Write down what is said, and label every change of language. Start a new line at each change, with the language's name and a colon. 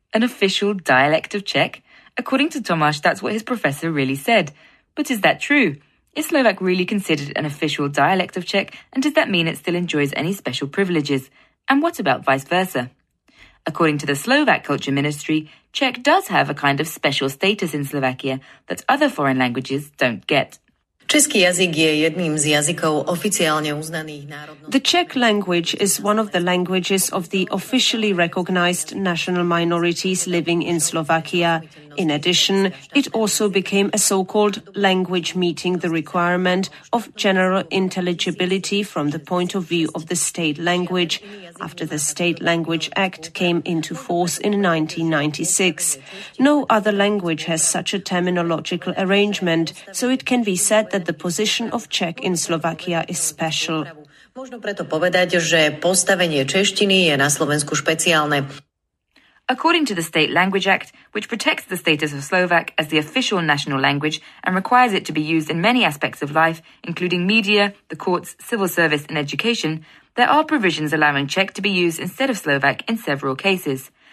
English: An official dialect of Czech? According to Tomáš, that's what his professor really said. But is that true? Is Slovak really considered an official dialect of Czech? And does that mean it still enjoys any special privileges? And what about vice versa? According to the Slovak Culture Ministry, Czech does have a kind of special status in Slovakia that other foreign languages don't get.
Czech: Český jazyk je jedním z jazyků oficiálně uznaných národností.
English: The Czech language is one of the languages of the officially recognized national minorities living in Slovakia. In addition, it also became a so-called language meeting the requirement of general intelligibility from the point of view of the state language after the State Language Act came into force in 1996. No other language has such a terminological arrangement, so it can be said that the position of Czech in Slovakia is special.
Slovak: Možno preto povedať, že postavenie češtiny je na Slovensku špeciálne.
English: According to the State Language Act, which protects the status of Slovak as the official national language and requires it to be used in many aspects of life, including media, the courts, civil service and education, there are provisions allowing Czech to be used instead of Slovak in several cases.